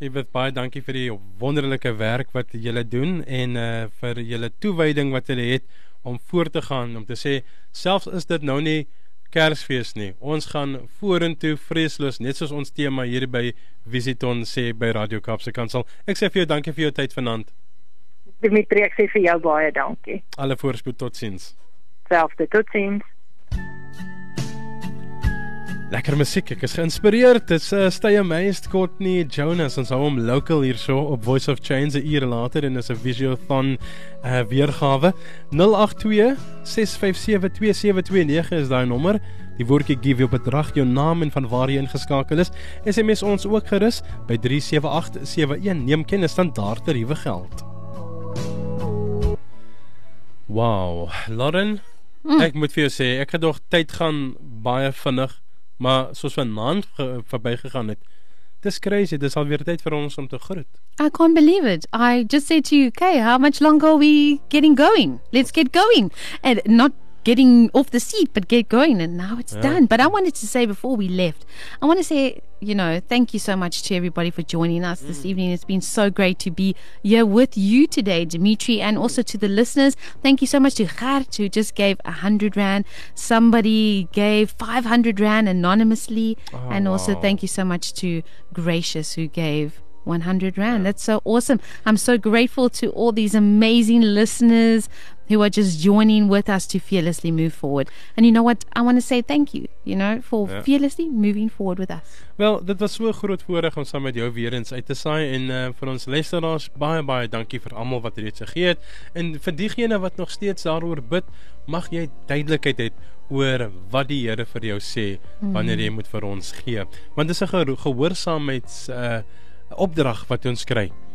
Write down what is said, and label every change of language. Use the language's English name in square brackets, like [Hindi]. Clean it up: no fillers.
[Afrikaans] Edith, baie dankie vir die wonderlike werk wat julle doen en vir julle toewyding wat julle het om voort te gaan, om te sê selfs is dit nou nie Kersfees nie, ons gaan vorentoe vreesloos, net soos ons tema hier by Visiton sê by Radio Kaapse Kansel. Ek sê vir jou dankie vir jou tyd vanaand. Dimitri, ek sê vir jou baie dankie. Alle voorspoed, tot ziens. Selfde, tot ziens. Lekker muziek, ek is geïnspireerd, dit is Steyer Meist, Courtney Jonas, ons hou hom local hierso op Voice of Change, een uur later, en is een Visiothon weergave. 082-657-2729 is die nommer, die woordkie give jou bedrag, jou naam en van waar jy ingeskakel is, SMS ons ook gerus by 37871, neem kennis dan daar te ruwe geld. Wow, Lauren, ek moet vir jou sê, ek gedog tyd gaan baie vinnig, maar soos van naand verby gegaan het, dis crazy, dis alweer tyd vir ons om te groet. [English] I can't believe it. I just said to you, okay, how much longer are we getting going? Let's get going. And not getting off the seat, but get going. And now it's done. But I wanted to say before we left, I want to say, you know, thank you so much to everybody for joining us this evening. It's been so great to be here with you today, Dimitri, and also to the listeners. Thank you so much to Gert, who just gave 100 rand. Somebody gave 500 rand anonymously. Oh, and wow. Also thank you so much to Gracious, who gave 100 rand. Yeah. That's so awesome. I'm so grateful to all these amazing listeners who are just joining with us to fearlessly move forward. And you know what? I want to say thank you, you know, for fearlessly moving forward with us. [Afrikaans] Wel, dit was so groot voorreg om saam met jou weer eens uit te saai. En vir ons luisteraars, baie, baie dankie vir almal wat reeds gegee het. En vir diegene wat nog steeds daaroor bid, mag jy duidelikheid het oor wat die Here vir jou sê, wanneer jy moet vir ons gee. Want dis 'n gehoorsaamheids opdrag wat ons kry.